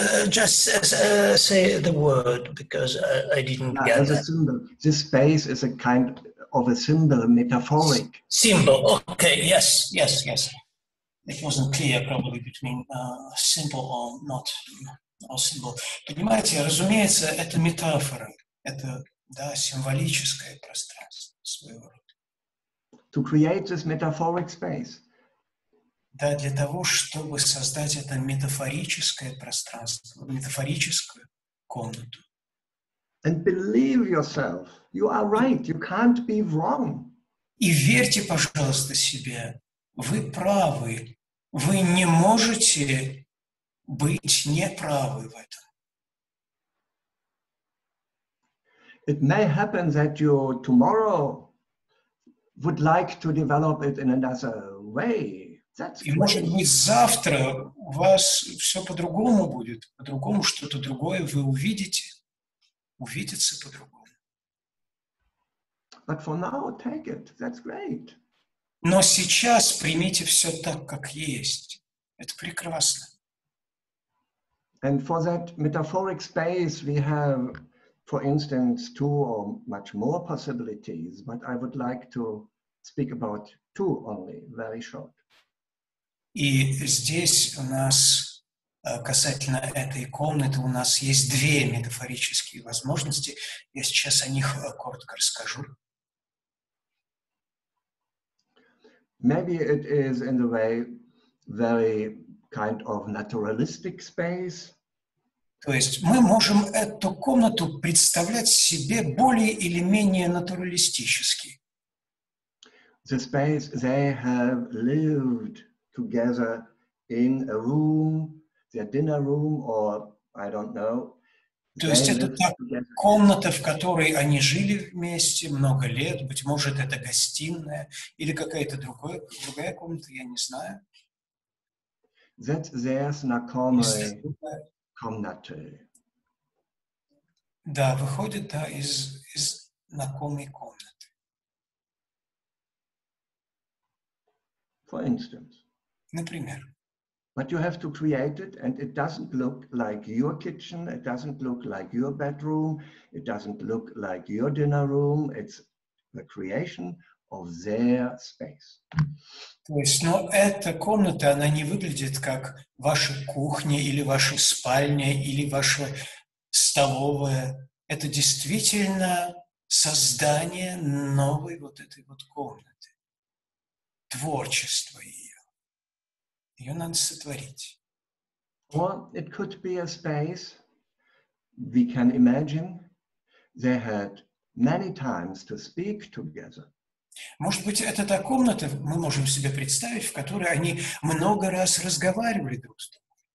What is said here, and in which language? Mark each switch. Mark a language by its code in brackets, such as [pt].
[en] Say the word, because I didn't get that. A symbol. This space is a kind of a symbol, a metaphoric. Symbol, okay, yes. It wasn't clear probably between symbol or not. Symbol. [ru] Понимаете, разумеется, это метафора, это, да, символическое пространство своего рода. [en] To create this metaphoric space. [ru] Да, для того, чтобы создать это метафорическое пространство, метафорическую комнату. [en] And believe yourself. You are right. You can't be wrong. [ru] И верьте, пожалуйста, себе. Вы правы. Вы не можете быть неправы в этом. [en] It may happen that you tomorrow would like to develop it in another way. [ru] И может быть завтра у вас все по-другому будет, по-другому что-то другое вы увидите, увидится по-другому. [en] But for now, take it. That's great. [ru] Но сейчас примите все так, как есть. Это прекрасно. [en] And for that metaphoric space, we have for instance, two or much more possibilities, but I would like to speak about two only, very short. [ru] И здесь у нас касательно этой комнаты у нас есть две метафорические возможности. Я сейчас о них коротко расскажу. [en] Maybe it is in the way very kind of naturalistic space. [ru] То есть мы можем эту комнату представлять себе более или менее натуралистически. [en] The space they have lived together in a room, their dinner room, or I don't know. [ru] То есть это та комната, в которой они жили вместе много лет, быть может, это гостиная или какая-то другая комната, я не знаю. [en] That's their [ru] знакомые комнаты. Да, выходит, да, из знакомой комнаты. [en] For instance. [ru] Например. [en] But you have to create it, and it doesn't look like your kitchen, it doesn't look like your bedroom, it doesn't look like your dinner room, it's the creation of their space. [ru] То есть, но эта комната, она не выглядит как ваша кухня, или ваша спальня, или ваша столовая. Это действительно создание новой вот этой вот комнаты, творчество ее. Ее надо сотворить. [en] Or it could be a space we can imagine they had many times to speak together. [ru] Может быть, это та комната, мы можем себе представить, в которой они много раз разговаривали друг с другом.